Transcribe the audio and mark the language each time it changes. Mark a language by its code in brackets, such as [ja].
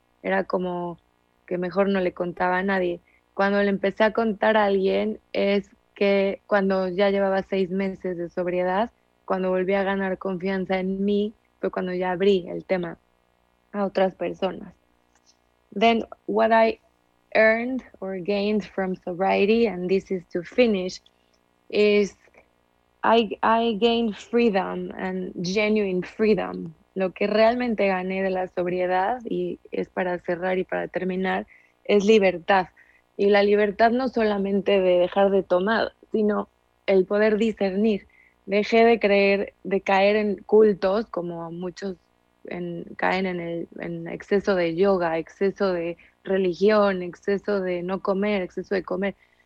[es] Era como que mejor no le contaba a nadie. Cuando le empecé a contar a alguien es que cuando ya llevaba 6 meses de sobriedad, cuando volví a ganar confianza en mí, fue cuando ya abrí el tema a otras personas. [en] Then what I earned or gained from sobriety, and this is to finish, is I gained freedom and genuine freedom. [es] Lo que realmente gané de la sobriedad, y es para cerrar y para terminar, es libertad. Y la libertad no solamente de dejar de tomar, sino el poder discernir. Dejé de creer, de caer en cultos, como muchos caen en exceso de yoga, exceso de religión, exceso de no comer, exceso de comer.